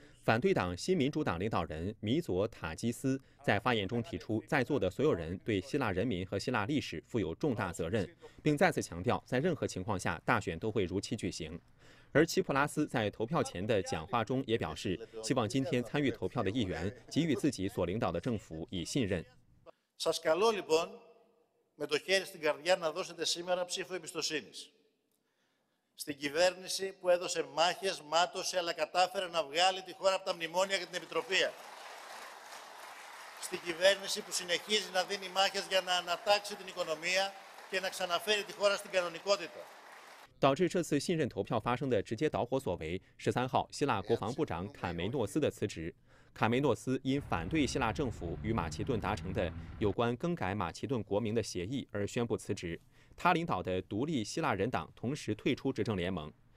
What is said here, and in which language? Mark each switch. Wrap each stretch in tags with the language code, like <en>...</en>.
<zh>反对党新民主党领导人米佐塔基斯在发言中提出，在座的所有人对希腊人民和希腊历史负有重大责任，并再次强调，在任何情况下，大选都会如期举行。而齐普拉斯在投票前的讲话中也表示，希望今天参与投票的议员给予自己所领导的政府以信任。</zh> <el>Σας καλώ λοιπόν με το χέρι στην καρδιά να δώσετε σήμερα ψήφο εμπιστοσύνης. Στην κυβέρνηση που έδωσε μάχες, μάτωσε, αλλά κατάφερε να βγάλει τη χώρα από τα μνημόνια και την Επιτροπία. Στην κυβέρνηση που συνεχίζει να δίνει μάχες για να ανατάξει την οικονομία και να ξαναφέρει τη χώρα στην κανονικότητα.</el> <zh>导致这次信任投票发生的直接导火索为13号希腊国防部长坎梅诺斯的辞职。坎梅诺斯因反对希腊政府与马其顿达成的有关更改马其顿国名的协议而宣布辞职。他领导的独立希腊人党同时退出执政联盟。</zh>